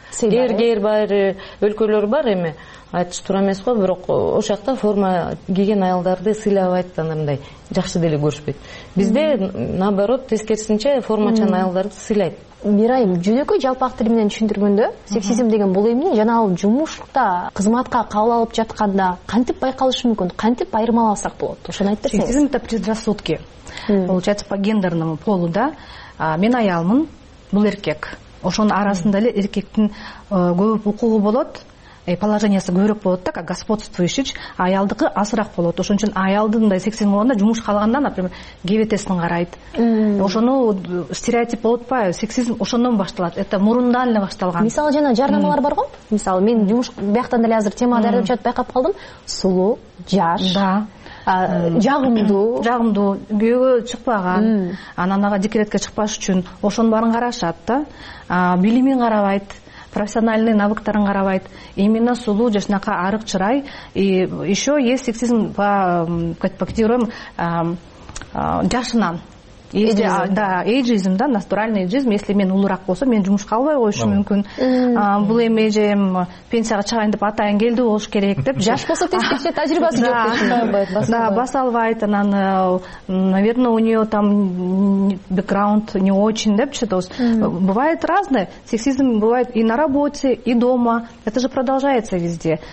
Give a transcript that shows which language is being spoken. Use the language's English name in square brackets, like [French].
[Kyrgyz] Кээ-кээ бир өлкөлөр бар, эми айтыш туура эмес го, бирок ошол жакта форма кийген аялдарды сыйлабайт, анан мындай жакшы деле көрүшпөйт. Бизде наоборот тескерисинче формачан аялдарды сыйлайт. Мирайым, жөнөкөй жалпы ак тил менен түшүндүргөндө сексизм деген бул эмне жана ал жумушта кызматка кабыл алып жатканда кантип байкалышы мүмкүн, кантип айырмаласак болот, ошону айтып берсеңиз. [Russian] Сексизм это предрассудки, получается по гендерному полу, да. [Kyrgyz] Мен аялмын, бул эркек, ошонун арасында эле эркектин көп укугу болот, положениясы көбүрөөк болот да, [Russian] как господствующий, [Kyrgyz] аялдыкы азыраак болот. Ошон үчүн аялдын мындай сексизм болгондо жумуш калганда, например, кебетесин карайт. Ошону стереотип болуп атпайбы? Сексизм ошондон башталат. Это мурундан эле башталган. Мисалы жана жарнамалар бар го. Мисалы мен жумуш бияктан деле азыр тема дарып жатып байкап калдым. Сулуу, жаш. Да. Жагымдуу, жагымдуу, күйөөгө чыкпаган, анан ага декретке чыкпаш үчүн ошонун баарын карашат да. Билимин карабайт, профессиональный навыктарын карабайт, именно сулуу жашынакай арык чырай. [Russian] И еще есть сексизм по категориям жашынан. Если, да, эйджизм, да, натуральный эйджизм. [Kyrgyz] Если мен улурак болсо, мен жумушка албай коюшу мүмкүн. Бул эми же пенсияга чыгайын деп атайын келди болуш керек деп. Жаш болсо тескерисинче тажрыйбасы жок деп чыгарбайт. [Russian] Да, [Kyrgyz] баса албайт, анан [Russian] наверное у нее там бэкграунд не очень [Kyrgyz] деп читабыз. [Russian] Бывает разное. Сексизм бывает и на работе, и дома. Это же продолжается везде.